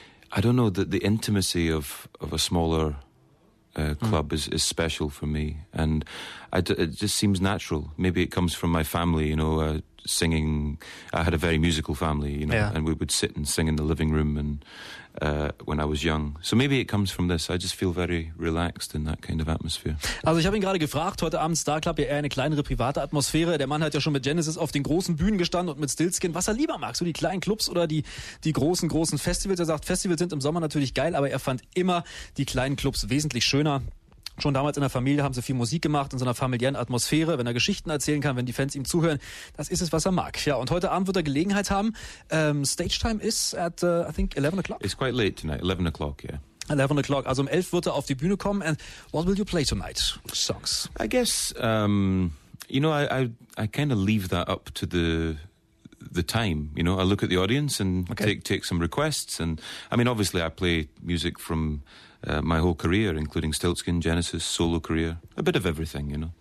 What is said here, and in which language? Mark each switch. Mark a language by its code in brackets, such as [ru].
[en] I don't know, the intimacy of a smaller club is special for me. And it just seems natural. Maybe it comes from my family, you know, singing. I had a very musical family, you know, and we would sit and sing in the living room and when I was young. So maybe it comes from this. I just feel very relaxed in that kind of atmosphere. [de] Also ich habe ihn gerade gefragt, heute Abend Star Club, ja eher eine kleinere private Atmosphäre. Der Mann hat ja schon mit Genesis auf den großen Bühnen gestanden und mit Stillskin. Was er lieber mag, so die kleinen Clubs oder die großen Festivals? Er sagt, Festivals sind im Sommer natürlich geil, aber er fand immer die kleinen Clubs wesentlich schöner. Schon damals in der Familie haben sie viel Musik gemacht, in so einer familiären Atmosphäre, wenn er Geschichten erzählen kann, wenn die Fans ihm zuhören, das ist es, was er mag. Ja, und heute Abend wird er Gelegenheit haben. [en] Stage time is at, I think, 11 o'clock. It's quite late tonight, 11 o'clock, yeah. 11 o'clock, [de] also um 11 wird er auf die Bühne kommen. [en] And what will you play tonight? Songs. I guess, you know, I kind of leave that up to the time, you know. I look at the audience and take some requests. And I mean, obviously, I play music from... my whole career, including Stiltskin, Genesis, solo career, a bit of everything, you know.